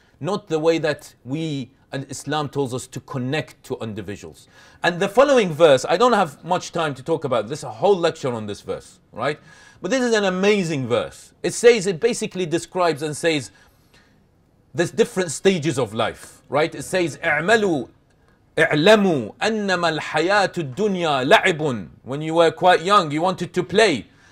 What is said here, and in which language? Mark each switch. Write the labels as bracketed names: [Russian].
[English] Not the way that we and Islam tells us to connect to individuals. And the following verse, I don't have much time to talk about this, a whole lecture on this verse, right? But this is an amazing verse. It says, it basically describes and says, there's different stages of life, right? It says, [Arabic] اعملوا اعلموا أنما الحياة الدنيا لعب. [English] When you were quite young, you wanted to play.